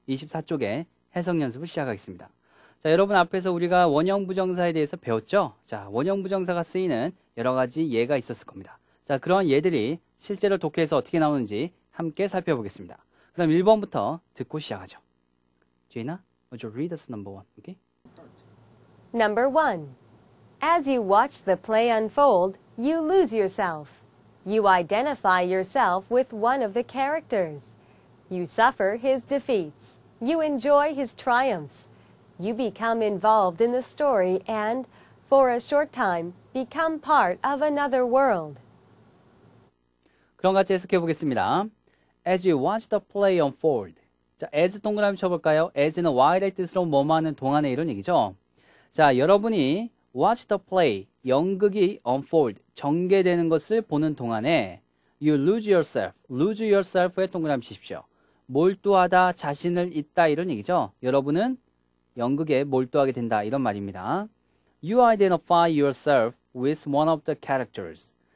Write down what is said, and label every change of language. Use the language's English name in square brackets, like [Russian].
[Korean] 24쪽에 해석 연습을 시작하겠습니다. 자, 여러분 앞에서 우리가 원형 부정사에 대해서 배웠죠? 자, 원형 부정사가 쓰이는 여러 가지 예가 있었을 겁니다. 자, 그러한 예들이 실제로 독해에서 어떻게 나오는지 함께 살펴보겠습니다. 그럼 1번부터 듣고 시작하죠. [English] Gina, would you read us number one, okay? Number one. As you watch the play unfold, you lose yourself. You identify yourself with one of the characters. You suffer his defeats. You enjoy his triumphs. You become involved in the story and, for a short time, become part of another world. [Korean] 그럼 같이 해석해 보겠습니다. [English] As you watch the play unfold. [Korean] 자, as 동그라미 쳐볼까요? as는 while의 뜻으로 뭐뭐하는 동안의 이런 얘기죠. 자, 여러분이 [English] watch the play, [Korean] 연극이 unfold, 전개되는 것을 보는 동안에 [English] you lose yourself, lose yourself [Korean] 에 동그라미 치십시오. 몰두하다, 자신을 잃다 이런 얘기죠. 여러분은 연극에 몰두하게 된다 이런 말입니다. [English] You identify yourself with one of the characters.